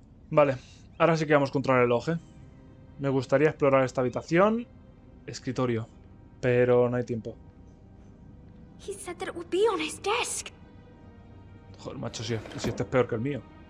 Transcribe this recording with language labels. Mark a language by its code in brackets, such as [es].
[es] Vale, ahora sí que vamos contra el reloj. Me gustaría explorar esta habitación, escritorio, pero no hay tiempo. [en] He said that it would be on his desk. [es] Joder, macho, si este es peor que el mío.